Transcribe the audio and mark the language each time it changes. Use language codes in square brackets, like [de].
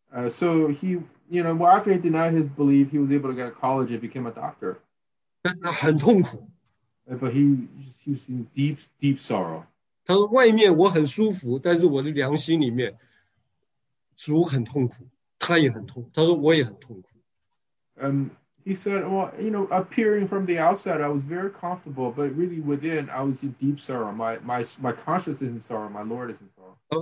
[en] So he, you know, well, after he denied his belief, he was able to get a college and became a doctor. [zh] 但是他很痛苦。 [en] But he was in deep sorrow. [zh] 他说外面我很舒服，但是我的良心里面，主很痛苦，他也很痛苦。他说我也很痛苦。 [en] He said, well, you know, appearing from the outside, I was very comfortable, but really within, I was in deep sorrow. My conscience is in sorrow. My Lord is in sorrow.